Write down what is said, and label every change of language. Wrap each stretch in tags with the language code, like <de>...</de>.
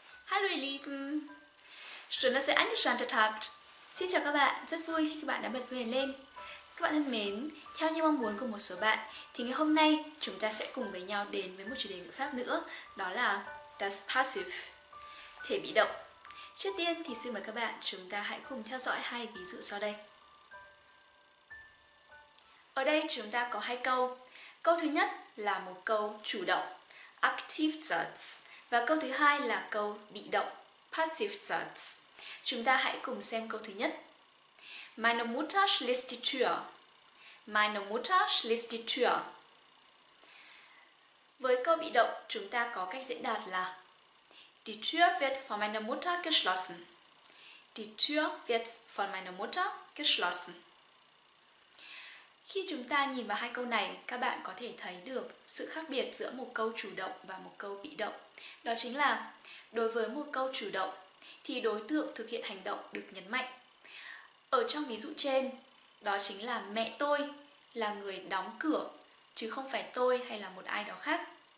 <de>Hallo ihr Lieben, schön, dass ihr eingeschaltet habt.</de> <vi>Xin chào các bạn, rất vui khi các bạn đã bật mí lên. Các bạn thân mến, theo như mong muốn của một số bạn, thì ngày hôm nay chúng ta sẽ cùng với nhau đến với một chủ đề ngữ pháp nữa, đó là Das Passive, thể bị động. Trước tiên thì xin mời các bạn chúng ta hãy cùng theo dõi hai ví dụ sau đây. Ở đây chúng ta có hai câu. Câu thứ nhất là một câu chủ động, Active Satz. Và câu thứ hai là câu bị động, Passive Satz. Chúng ta hãy cùng xem câu thứ nhất.</vi> <de>Meine Mutter schließt die Tür. Meine Mutter schließt die Tür.</de> <vi>Với câu bị động, chúng ta có cách diễn đạt là</vi> <de>Die Tür wird von meiner Mutter geschlossen. Die Tür wird von meiner Mutter geschlossen.</de> <vi>Khi chúng ta nhìn vào hai câu này, các bạn có thể thấy được sự khác biệt giữa một câu chủ động và một câu bị động. Đó chính là, đối với một câu chủ động, thì đối tượng thực hiện hành động được nhấn mạnh. Ở trong ví dụ trên, đó chính là mẹ tôi là người đóng cửa, chứ không phải tôi hay là một ai đó khác.</vi>